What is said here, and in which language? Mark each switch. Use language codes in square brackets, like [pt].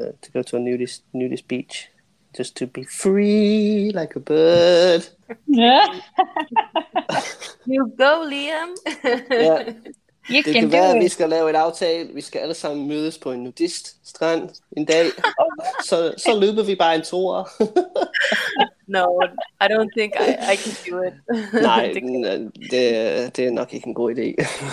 [en] To go to a nudist beach. Just to be free like a bird. You go, Liam. Yeah. You [da] det kan være, vi skal lave et aftale. Vi skal alle sammen mødes på en nudist strand en dag. Så løber vi bare en tour. [en] No, I don't think I can do it. [da] Nej, det er nok ikke en god idé.